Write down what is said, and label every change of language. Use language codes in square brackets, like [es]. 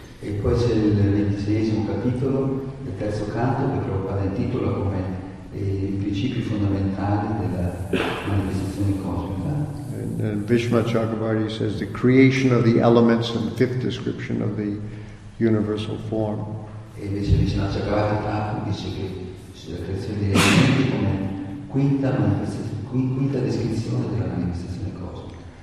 [it] E poi c'è il 26esimo capitolo, il terzo canto, che Prabhupada intitola come i principi fondamentali della manifestazione cosmica. [en] And Bhishma Chakravarti says the creation of the elements and fifth description of the universal form. [it] E invece Vishnu Chakravarti Thakur dice che la creazione degli elementi come quinta descrizione della manifestazione cosmica.